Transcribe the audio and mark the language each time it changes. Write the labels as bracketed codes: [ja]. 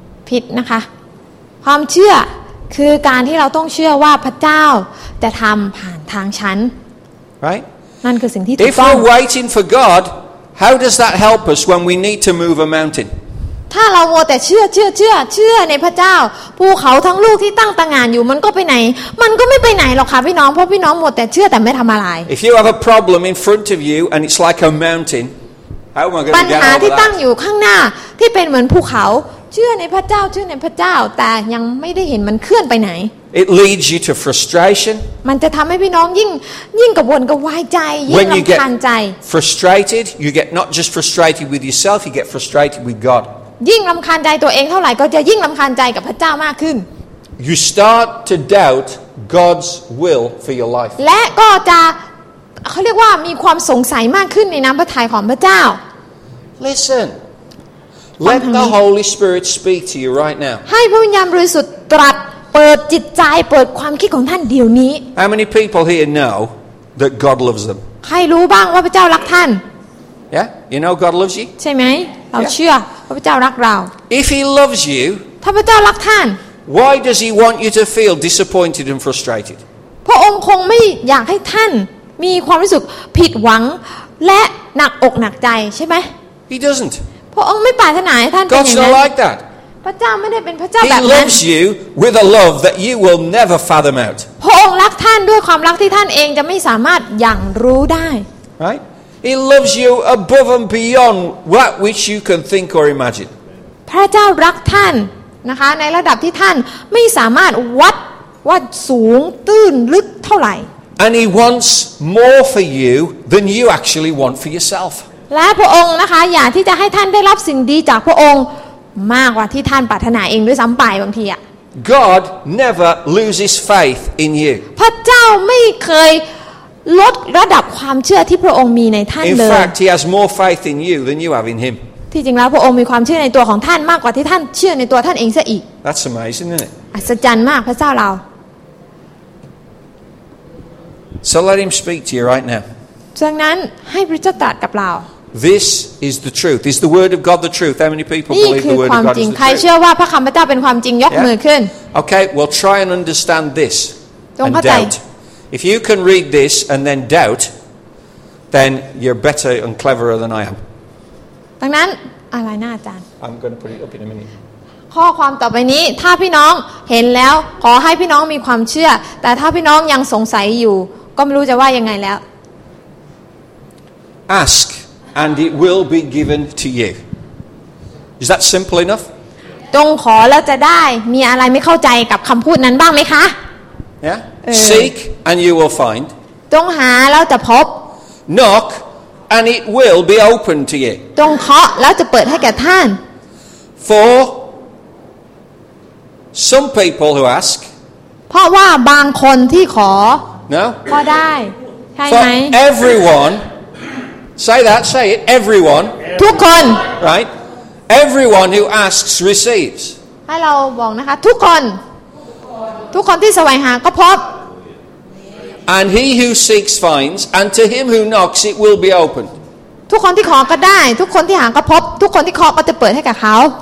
[th] ผิดนะคะความเชื่อคือการที่เราต้องเชื่อว่าพระเจ้าจะทำผ่านทางฉัน [en] Right? [th] นั่นคือสิ่งที่ถู [en] กต้อง If we're waiting for God, how does that help us when we need to move a mountain? [th] ถ้าเราแต่เชื่อในพระเจ้าภูเขาทั้งลูกที่ตั้งตระหง่านอยู่มันก็ไปไหนมันก็ไม่ไปไหนหรอกค่ะพี่น้องเพราะพี่น้องหมดแต่เชื่อแต่ไม่ทำอะไร [en] If you have a problem in front of you and it's like a mountain how am I going to get over that [th] ปัญหาที่ตั้งอยู่ข้างหน้าที่เป็นเหมือนภูเขาเชื่อในพระเจ้าแต่ยังไม่ได้เห็นมันเคลื่อนไปไหน [en] It leads you to frustration [th] มันจะทำให้พี่น้องยิ่งกังวลกังวายใจยิ่งรำคาญใจ [en] When you get frustrated you get not just frustrated with yourself you get frustrated with God [th] ยิ่งรำคาญใจตัวเองเท่าไหร่ก็จะยิ่งรำคาญใจกับพระเจ้ามากขึ้น [en] You start to doubt God's will for your life [th] และก็จะเขาเรียกว่ามีความสงสัยมากขึ้นในน้ำพระทัยของพระเจ้า [en] Listen Let the Holy Spirit speak to you right now [th] ให้พระวิญญาณบริสุทธิ์ตรัสเปิดจิตใจเปิดความคิดของท่านเดี๋ยวนี้ [en] How many people here know that God loves them [th] ใครรู้บ้างว่าพระเจ้ารักท่าน [en] Yeah you know God loves you [th] ใช่ไหมเราเชื่อพระเจ้ารักเรา [en] If he loves you [th] ถ้าพระเจ้ารักท่าน [en] Why does he want you to feel disappointed and frustrated [th] พระองค์คงไม่อยากให้ท่านมีความรู้สึกผิดหวังและหนักอกหนักใจใช่มั้ย [en] He doesn't [th] พระองค์ไม่ปรารถนาให้ท่านเป็นอย่างนั้น [en] God's not like that [th] พระเจ้าไม่ได้เป็นพระเจ้าแบบนั้น [en] He loves you with a love that you will never fathom out [th] พระองค์รักท่านด้วยความรักที่ท่านเองจะไม่สามารถหยั่งรู้ได้ [en] Right? He loves you above and beyond what which you can think or imagine. [th] พระเจ้ารักท่านนะคะในระดับที่ท่านไม่สามารถวัดสูงตื้นลึกเท่าไหร่ [en] And he wants more for you than you actually want for yourself. [th] และพระองค์นะคะอยากที่จะให้ท่านได้รับสิ่งดีจากพระองค์มากกว่าที่ท่านปรารถนาเองด้วยซ้ำไปบางทีอ่ะ [en] God never loses faith in you. [th] พระเจ้าไม่เคยลดระดับความเชื่อที่พระองค์มีในท่านเลย [en] In fact, he has more faith in you than you have in him. [th] ที่จริงแล้วพระองค์มีความเชื่อในตัวของท่านมากกว่าที่ท่านเชื่อในตัวท่านเองซะอีก [en] That's amazing, isn't it? [th] อัศจรรย์มากพระเจ้าเรา [en] So let him speak to you right now. [th] ดังนั้นให้พระเจ้าตรัสกับเรา [en] This is the truth. Is the word of God the truth? How many people believe the word of God is the truth? [th] นี่คือความจริงใครเชื่อว่าพระคำพระเจ้าเป็นความจริงยกมือขึ้น [en] Okay, we'll try and understand this and doubt. If you can read this and then doubt, then you're better and cleverer than I am. [th] ดังนั้นอะไรนะอาจารย์ [en] I'm going to put it up in a minute. [th] ข้อความต่อไปนี้ถ้าพี่น้องเห็นแล้วขอให้พี่น้องมีความเชื่อแต่ถ้าพี่น้องยังสงสัยอยู่ก็ไม่รู้จะว่ายังไงแล้ว [en] Ask and it will be given to you. Is that simple enough? [th] จงขอแล้วจะได้มีอะไรไม่เข้าใจกับคำพูดนั้นบ้างไหมคะ [en] Yeah. Seek and you will find. [th] ต้องหาแล้วจะพบ [en] Knock and it will be opened to you. [th] ต้องเคาะแล้วจะเปิดให้แก่ท่าน [en] For some people who ask. [th] เพราะว่าบางคนที่ขอ [en] No. [th] ก็ได้ใช่ไหม [en] For everyone. Say that. Say it. Everyone. [th] ทุกคน [en] Right. Everyone who asks receives. [th] ให้เราบอกนะคะทุกคนทุกคนที่แสวงหาก็พบ [en] And he who seeks finds, and to him who knocks, it will be opened. [th] ทุกคนที่ขอก็ได้ทุกคนที่หาก็พบทุกคนที่เคาะก็จะเปิดให้กับเขา